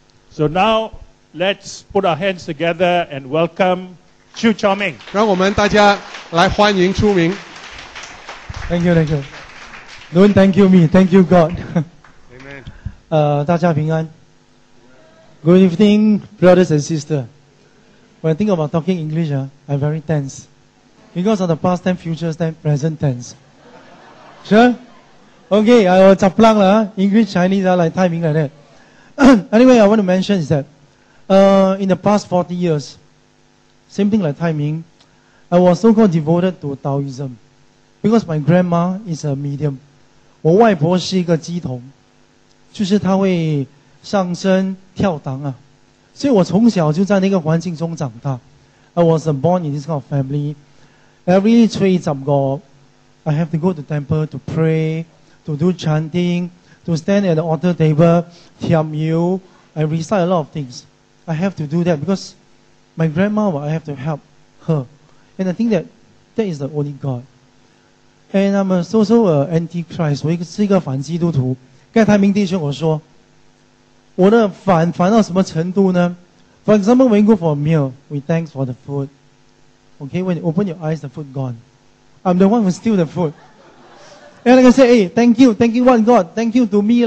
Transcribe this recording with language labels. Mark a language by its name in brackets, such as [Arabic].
[English] So now, let's put our hands together and welcome Chew Chor Meng. [Chinese] 让我们大家来欢迎出名。 [English] Thank you, thank you. Don't thank you me, thank you God. Amen. [Chinese] 大家平安。 [English] Good evening, brothers and sisters. When I think about talking English, I'm very tense. Because of the past tense, future tense, present tense. Sure? Okay, I will chop lang la, English, Chinese, like timing like that. Anyway, I want to mention is that in the past 40 years, same thing like timing, I was so-called devoted to Taoism. Because my grandma is a medium. [Chinese] 我外婆是一个乩童，就是她会上身跳档啊，所以我从小就在那个环境中长大。 [English] I was born in this kind of family. Every 3-5 I have to go to temple to pray, to do chanting, to stand at the altar table, tiam yu. I recite a lot of things. I have to do that because my grandma, well, I have to help her. And I think that that is the only God. And I'm also an anti-Christ. [Chinese] 我是一个反基督徒。刚才明弟兄我说我的反到什么程度呢？ [English] For example, when you go for a meal, we thank for the food. Okay, when you open your eyes, the food gone. I'm the one who steal the food. And I can say, hey, thank you one God, thank you to me.